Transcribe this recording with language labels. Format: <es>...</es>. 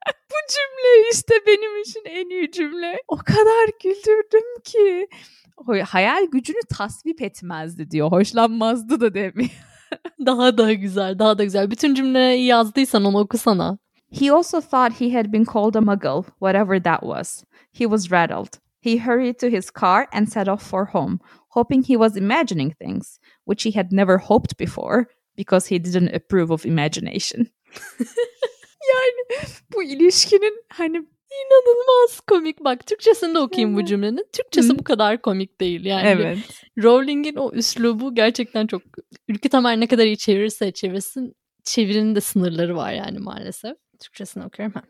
<tr>Bu cümle işte benim için en iyi cümle. O kadar güldürdüm ki. Hayal gücünü tasvip etmezdi diyor. Hoşlanmazdı da demiyor. Daha da güzel. Bütün cümleyi yazdıysan onu okusana.</tr> <en>He also thought he had been called a muggle, whatever that was. He was rattled. He hurried to his car and set off for home, hoping he was imagining things, which he had never hoped before, because he didn't approve of imagination.</en> <tr>Yani bu ilişkinin hani inanılmaz komik. Bak Türkçesinde okuyayım bu cümlenin. Türkçesi bu kadar komik değil yani. Evet. Rowling'in o üslubu gerçekten çok, Ülkü Tamer ne kadar iyi çevirirse çevirsin, çevirinin de sınırları var yani maalesef. Türkçesini okuyorum.</tr>